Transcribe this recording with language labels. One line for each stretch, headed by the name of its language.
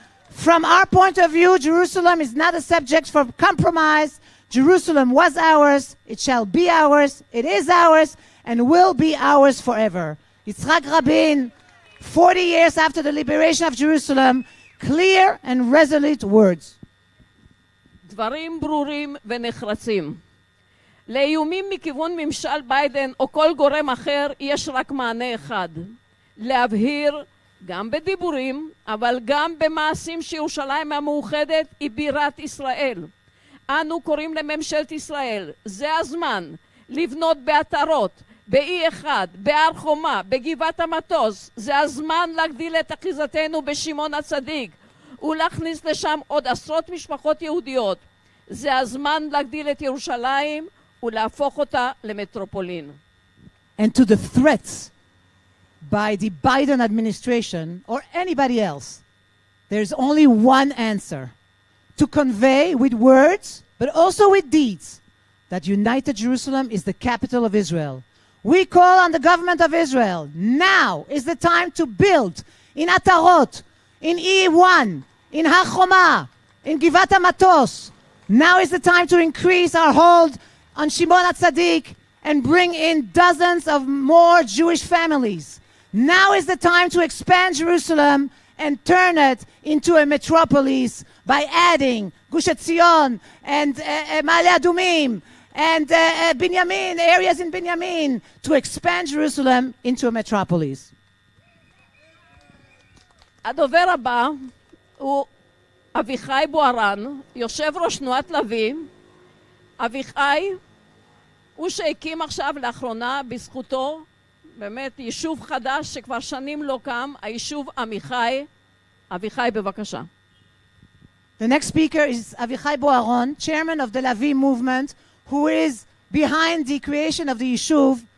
English: From our point of view, Jerusalem is not a subject for compromise. Jerusalem was ours, it shall be ours, it is ours, and will be ours forever. Yitzhak Rabin, 40 years after the liberation of Jerusalem, clear and resolute words.
Hebrew: דברים ברורים ונחרצים. לאיומים מכיוון ממשל ביידן או כל גורם אחר יש רק מענה אחד. להבהיר גם בדיבורים, אבל גם במעשים שירושלים המאוחדת היא בירת ישראל. אנו קוראים לממשלת ישראל, זה הזמן לבנות באתרות, ב-E1, בהר חומה, בגבעת המטוס, זה הזמן להגדיל את אחיזתנו בשמעון הצדיק ולהכניס לשם עוד עשרות משפחות יהודיות. זה הזמן להגדיל את ירושלים ולהפוך אותה למטרופולין.
English: And to the threats by the Biden administration or anybody else, there's only one answer. To convey with words, but also with deeds, that United Jerusalem is the capital of Israel. We call on the government of Israel, now is the time to build in Atarot, in E1, in Hachoma, in Givat HaMatos. Now is the time to increase our hold on Shimon HaTzadik and bring in dozens of more Jewish families. Now is the time to expand Jerusalem and turn it into a metropolis by adding Gush Etzion and Ma'ale Adumim and Binyamin, areas in Binyamin, to expand Jerusalem into a metropolis.
Hebrew: הדובר הבא הוא אביחי בוארן, יושב ראש תנועת לביא. אביחי הוא שהקים עכשיו לאחרונה בזכותו באמת יישוב חדש שכבר שנים לא קם, היישוב עמיחי. אביחי, בבקשה.
English: The next speaker is Avichai Bo-Aaron, chairman of the Lavi movement, who is behind the creation of the Yishuv.